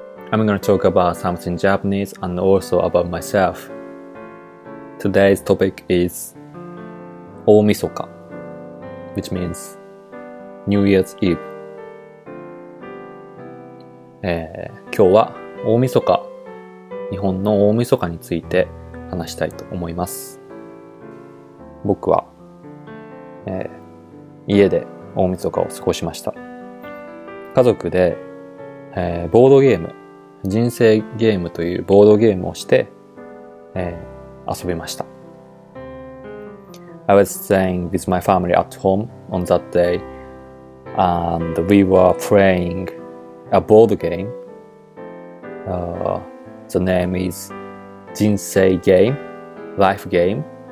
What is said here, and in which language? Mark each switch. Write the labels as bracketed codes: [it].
[en] I'm going to talk about something Japanese and also about myself. Today's topic is 大晦日 which means New Year's Eve. [ja] 今日は大晦日、日本の大晦日について話したいと思います。僕は、家で大晦日を過ごしました。家族で、ボードゲーム、人生ゲームというボードゲームをして、遊びました。 [en] I was staying with my family at home on that day and we were playing a board game The name is Jinsei Game, Life Game.